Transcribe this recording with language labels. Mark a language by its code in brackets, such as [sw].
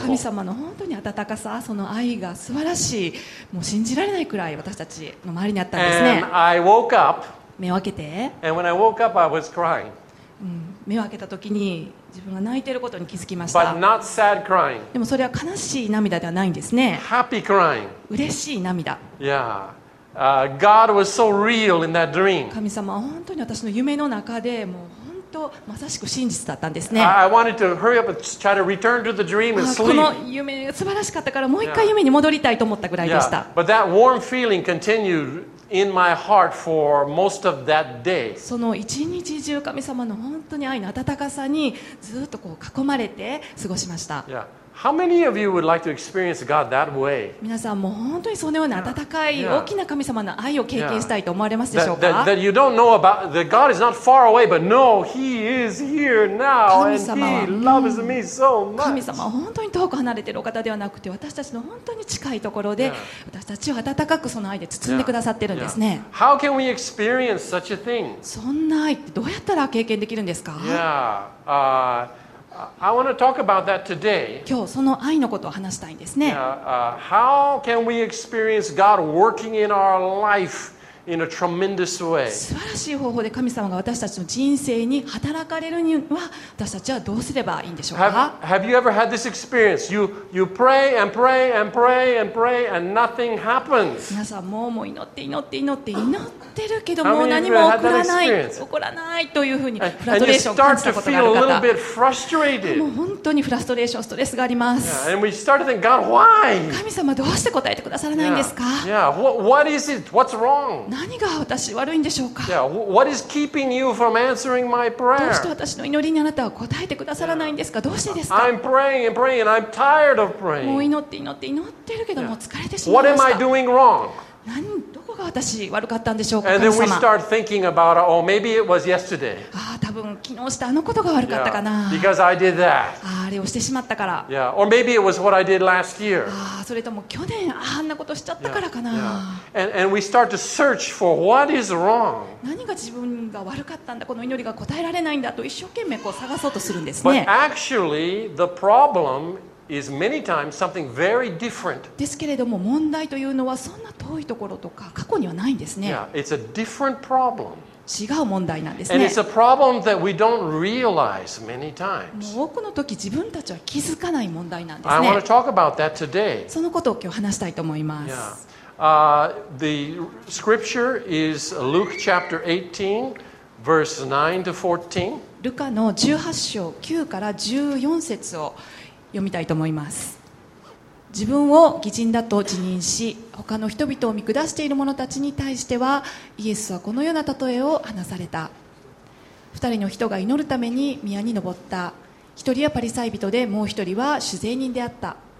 [ja] 神様の本当に温かさ、その愛が素晴らしい、もう信じられないくらい私たちの周りにあったんですね。 [en] And I woke up. [ja] 目を開けて、 [en] And when I woke up, I was crying. [ja] 目を開けた時に自分が泣いていることに気づきました。 [en] But not sad crying. [ja] でもそれは悲しい涙ではないんですね。 [en] Happy crying. [ja] 嬉しい涙。 [en] Yeah. God was so real in that dream. [ja] 神様は本当に私の夢の中でもう本当まさしく真実だったんですね。 [en] I wanted to hurry up and try to return to the dream and sleep. [ja] この夢が素晴らしかったからもう一回夢に戻りたいと思ったぐらいでした。 [en] Yeah. But that warm feeling continued. In my heart for most of that day. [ja] その一日中神様の本当に愛の温かさにずっとこう囲まれて過ごしました。 [en] Yeah. How many of you would like to experience God that way? [ja] 皆さんも本当にそのような温かい大きな神様の愛を経験したいと思われますでしょうか？ [en] That you don't know about that God is not far away, but no, He is here now, and He loves me so much. [ja] 神様は本当に遠く離れているお方ではなくて、私たちの本当に近いところで私たちを温かくその愛で包んでくださっているんですね。 [en] How can we experience such a thing? [ja] そんな愛ってどうやったら経験できるんですか？ [en] Yeah. I want to talk about that today. [ja] 今日その愛のことを話したいんですね。 [en] How can we experience God working in our life in a tremendous way? [ja] 素晴らしい方法で神様が私たちの人生に働かれるには私たちはどうすればいいんでしょうか？ [en] Have you ever had this experience? You pray and pray and pray and pray and nothing happens. [ja] 皆さんもう祈って祈って祈って祈ってるけどもう何も起こらないというふうにフラストレーションを感じたことがある方、もう本当にフラストレーション、ストレスがあります。 [en] Yeah. And we start to think, God, why? [ja] 神様どうして答えてくださらないんですか？ [en] Yeah. Yeah. What is it? What's wrong? [ja] 何が私悪いんでしょうか？ [en] Yeah, what is keeping you from answering my prayer? [ja] どうして私の祈りにあなたは答えてくださらないんですか？ [en] Yeah. [ja] どうしてですか？ [en] I'm praying and praying and I'm tired of praying. [ja] もう祈ってるけどもう疲れてしまいました。 [en] What am I doing wrong? [ja] どこが私悪かったんでしょうか？ [en] And then we start thinking about, oh, maybe it was yesterday. [ja] ああ、多分昨日したあのことが悪かったかな。 [en] Yeah, because I did that. [ja] あれをしてしまったから。 [en] Yeah, or maybe it was what I did last year. [ja] ああ、それとも去年あんなことしちゃったからかな。 [en] Yeah. And we start to search for what is wrong. [ja] 何が自分が悪かったんだ、この祈りが答えられないんだと一生懸命こう探そうとするんですね。 [en] But actually, the problem. Is many times something very different. [ja] ですけれども問題というのはそんな遠いところとか過去にはないんですね。 [en] Yeah, it's a different problem. [ja] 違う問題なんですね。 [en] And it's a problem that we don't realize many times. [ja] もう多くの時自分たちは気づかない問題なんですね。 [en] I want to talk about that today. [ja] そのことを今日話したいと思います。 [en] Yeah. The scripture is Luke chapter 18, verse 9 to 14. [ja] ルカの18章9から14節を読みたいと思います。自分を義人だと自認し他の人々を見下している者たちに対してはイエスはこのような例えを話された。二人の人が祈るために宮に登った。一人はパリサイ人でもう一人は酒税人であった。